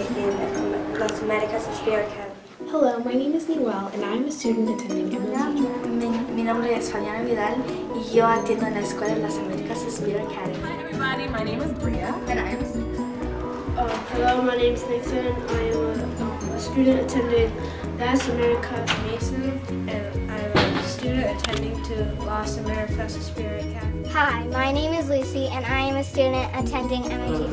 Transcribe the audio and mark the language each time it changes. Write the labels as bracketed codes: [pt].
[en] Hello, my name is Newell, and I'm a student attending MIT. [es] Mi nombre es Fabiana Vidal, y yo atiendo en la escuela de las Americas Sphere Academy. [en] Hi, everybody. My name is Bria, and I'm a student. Hello, my name is Nathan. I am a student attending Las Americas Mason, and I'm a student attending to Las Americas Sphere Academy. Hi, my name is Lucy, and I am a student attending MIT.